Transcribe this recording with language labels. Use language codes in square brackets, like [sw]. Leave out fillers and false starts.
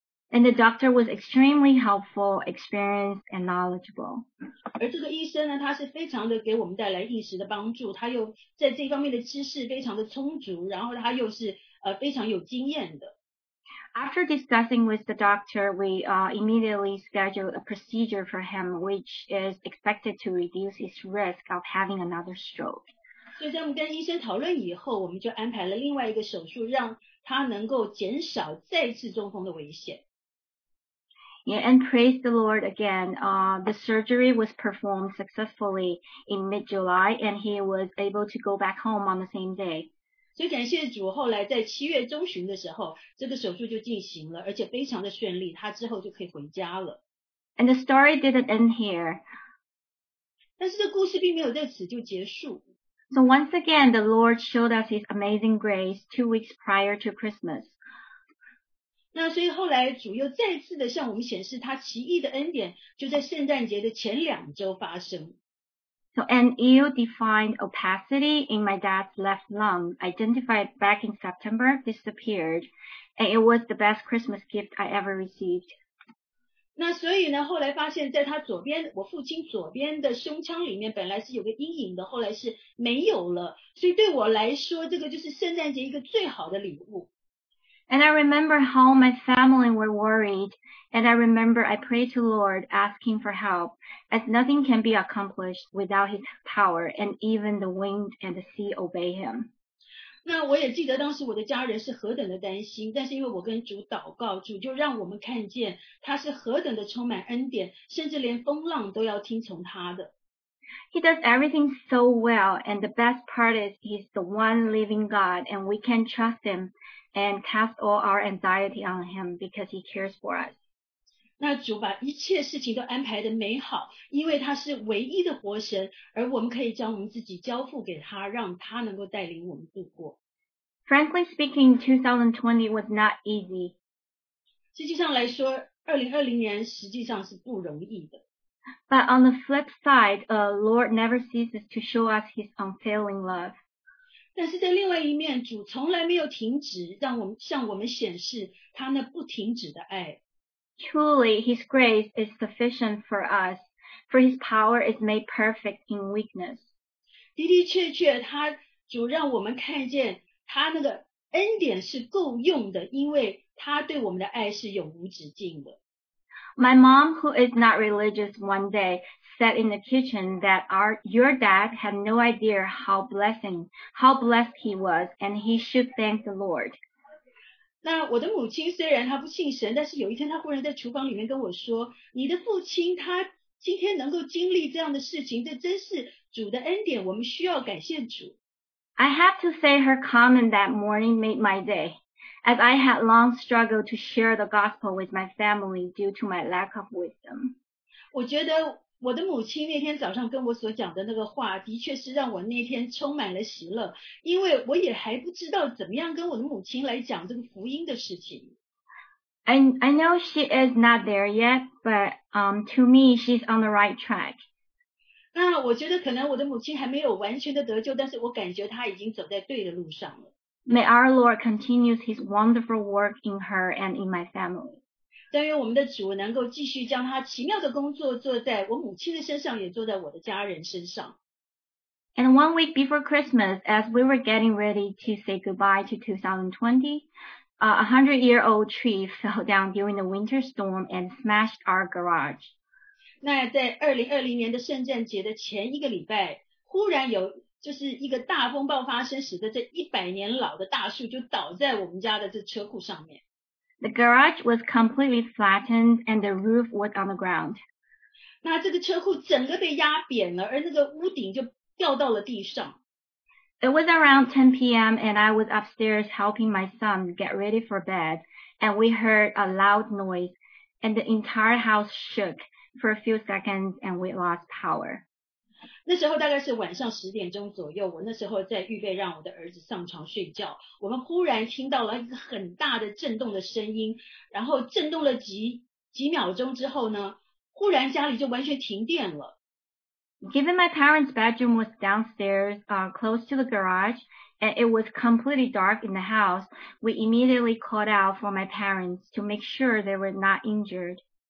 [en] And the doctor was extremely helpful, experienced, and knowledgeable. [zh] 而这个医生呢，他是非常的给我们带来一时的帮助，他又在这方面的知识非常的充足，然后他又是非常有经验的。 [en] After discussing with the doctor, we immediately scheduled a procedure for him, which is expected to reduce his risk of having another stroke. [zh] 所以在我们跟医生讨论以后，我们就安排了另外一个手术，让他能够减少再次中风的危险。 [en] Yeah, and praise the Lord again. The surgery was performed successfully in mid-July, and he was able to go back home on the same day. [zh] 所以感谢主后来在七月中旬的时候这个手术就进行了而且非常的顺利他之后就可以回家了。 [en] And the story didn't end here. [zh] 但是这故事并没有在此就结束。 [en] So once again, the Lord showed us his amazing grace 2 weeks prior to Christmas. [zh] 那所以后来主又再次的向我们显示他奇异的恩典就在圣诞节的前两周发生。 [en] So an ill-defined opacity in my dad's left lung, identified back in September, disappeared, and it was the best Christmas gift I ever received. [zh] 那所以呢，后来发现在他左边，我父亲左边的胸腔里面本来是有个阴影的，后来是没有了。所以对我来说，这个就是圣诞节一个最好的礼物。 [en] And I remember how my family were worried, and I remember I prayed to Lord asking for help, as nothing can be accomplished without his power, and even the wind and the sea obey him. [zh] 那我也记得当时我的家人是何等的担心，但是因为我跟主祷告，主就让我们看见他是何等的充满恩典，甚至连风浪都要听从他的。 [en] He does everything so well, and the best part is he's the one living God, and we can trust him. And cast all our anxiety on him because he cares for us. [zh] 那主把一切事情都安排得美好，因为他是唯一的活神，而我们可以将我们自己交付给他，让他能够带领我们度过。 [en] Frankly speaking, 2020 was not easy. [zh] 实际上来说，2020年实际上是不容易的。 [en] But on the flip side, Lord never ceases to show us his unfailing love. [zh] 但是在另外一面，主从来没有停止让我们向我们显示他那不停止的爱。 [en] Truly, His grace is sufficient for us, for His power is made perfect in weakness. [zh] 的的确确，他主让我们看见他那个恩典是够用的，因为他对我们的爱是永无止境的。 [en] My mom, who is not religious, one day said in the kitchen that your dad had no idea how blessed he was, and he should thank the Lord. [zh] 那我的母亲虽然她不信神，但是有一天她忽然在厨房里面跟我说，你的父亲他今天能够经历这样的事情，这真是主的恩典，我们需要感谢主。 [en] I have to say her comment that morning made my day, as I had long struggled to share the gospel with my family due to my lack of wisdom. [zh] 我觉得我的母亲那天早上跟我所讲的那个话的确是让我那天充满了喜乐，因为我也还不知道怎么样跟我的母亲来讲这个福音的事情。 [en] I know she is not there yet, but to me, she's on the right track. [zh] 那我觉得可能我的母亲还没有完全的得救，但是我感觉她已经走在对的路上了。 [en] May our Lord continue his wonderful work in her and in my family. [zh] 但愿我们的主能够继续将他奇妙的工作做在我母亲的身上，也做在我的家人身上。 [en] And one week before Christmas, as we were getting ready to say goodbye to 2020, a 100-year-old tree fell down during the winter storm and smashed our garage. [zh] 那在2020年的圣诞节的前一个礼拜，忽然有就是一个大风暴发生，使得这100年老的大树就倒在我们家的这车库上面。 [en] The garage was completely flattened and the roof was on the ground. [zh] 那这个车库整个被压扁了，而那个屋顶就掉到了地上。 [en] It was around 10 p.m. and I was upstairs helping my son get ready for bed, and we heard a loud noise, and the entire house shook for a few seconds, and we lost power. [zh] 那时候大概是晚上十点钟左右，我那时候在预备让我的儿子上床睡觉，我们忽然听到了一个很大的震动的声音，然后震动了几秒钟之后呢，忽然家里就完全停电了。 [en] Given my parents' bedroom was downstairs, close to the garage, and it was completely dark in the house, we immediately called out for my parents to make sure they were not injured.